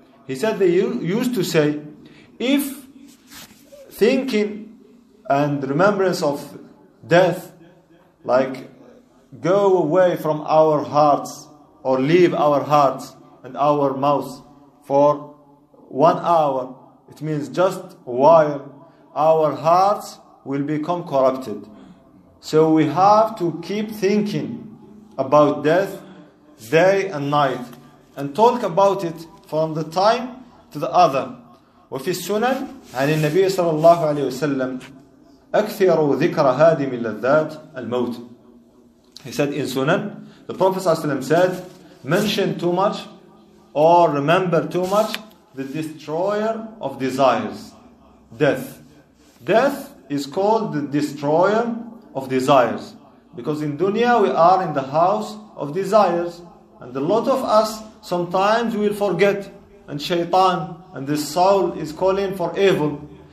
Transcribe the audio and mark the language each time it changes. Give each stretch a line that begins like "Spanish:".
English: He said they used to say, if thinking and remembrance of death, like go away from our hearts or leave our hearts and our mouths for 1 hour, it means just a while, our hearts will become corrupted. So we have to keep thinking about death day and night and talk about it from the time to the other.
Arabic: وفي السنن عن النبي صلى الله عليه وسلم أكثر ذكر هادم اللذات الموت.
English: He said in Sunan, the Prophet ﷺ said, mention too much or remember too much the destroyer of desires, death. Death is called the destroyer of desires, because in dunya we are in the house of desires, and a lot of us sometimes we'll forget, and shaitan and the soul is calling for evil.